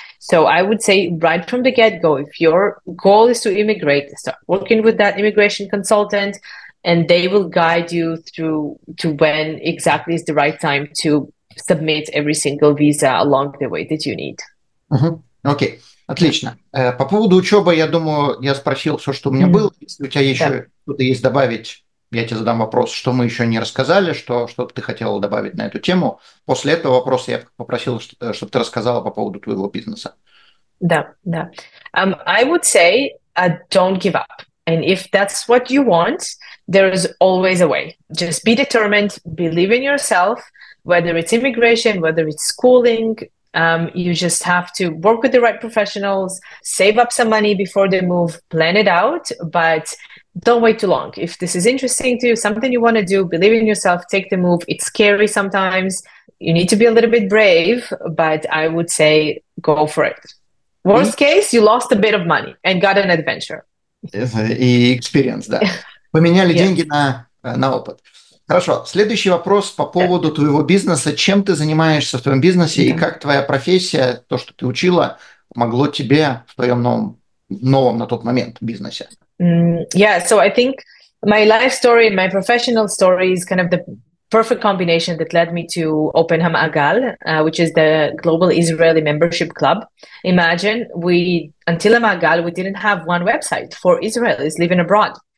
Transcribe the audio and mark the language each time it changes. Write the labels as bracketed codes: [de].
[en] So I would say right from the get-go, if your goal is to immigrate, start working with that immigration consultant, and they will guide you through to when exactly is the right time to submit every single visa along the way that you need. Okay. Отлично. [ru] По поводу учебы, я думаю, я спросил все, что у меня было. Если у тебя еще что-то есть добавить, я тебе задам вопрос, что мы еще не рассказали, что бы ты хотела добавить на эту тему. После этого вопроса я попросил, чтобы ты рассказала по поводу твоего бизнеса. Да, да. [en] I would say, don't give up. And if that's what you want, there is always a way. Just be determined, believe in yourself, whether it's immigration, whether it's schooling. You just have to work with the right professionals, save up some money before they move, plan it out, but don't wait too long. If this is interesting to you, something you want to do, believe in yourself, take the move. It's scary sometimes. You need to be a little bit brave, but I would say go for it. Worst case, you lost a bit of money and got an adventure. [ru] И experience, да. Поменяли деньги на опыт. Хорошо, следующий вопрос по поводу твоего бизнеса. Чем ты занимаешься в твоем бизнесе и как твоя профессия, то, что ты учила, помогло тебе в твоем новом на тот момент бизнесе? [en] Yeah, so I think my life story, my professional story is kind of the perfect combination that led me to open Hamagal, which is the Global Israeli Membership Club. Imagine, until Hamagal, we didn't have one website for Israelis living abroad.